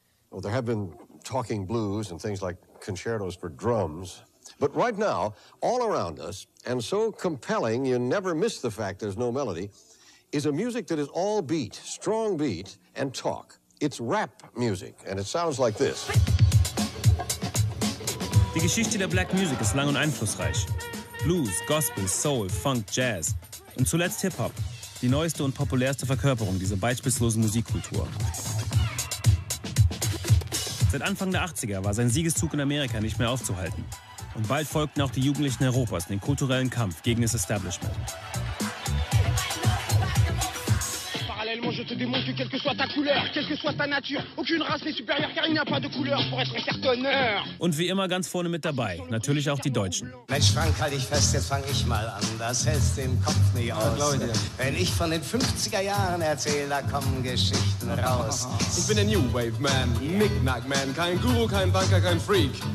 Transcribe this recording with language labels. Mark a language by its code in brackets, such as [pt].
[en] Well, there have been talking blues and things like concertos for drums. But right now, all around us, and so compelling you never miss the fact there's no melody, is a music that is all beat, strong beat, and talk. It's rap music, and it sounds like this. [de] Die Geschichte der Black Music ist lang und einflussreich. Blues, Gospel, Soul, Funk, Jazz und zuletzt Hip-Hop, die neueste und populärste Verkörperung dieser beispiellosen Musikkultur. Seit Anfang der 80er war sein Siegeszug in Amerika nicht mehr aufzuhalten. Und bald folgten auch die Jugendlichen Europas in den kulturellen Kampf gegen das Establishment. [fr] Je te démontre que quelle que soit ta couleur, quelle que soit ta nature, aucune race n'est supérieure car il n'y a pas de couleur pour être cartonneur. [de] Und wie immer ganz vorne mit dabei, natürlich auch die Deutschen. Mensch Frank, halt dich fest, jetzt fange ich mal an, das hältst du im Kopf nicht aus. Ja, glaub ich dir. Wenn ich von den 50er Jahren erzähle, da kommen Geschichten raus. Ich bin der New Wave Man, Knick-Knack Man, kein Guru, kein Banker, kein Freak.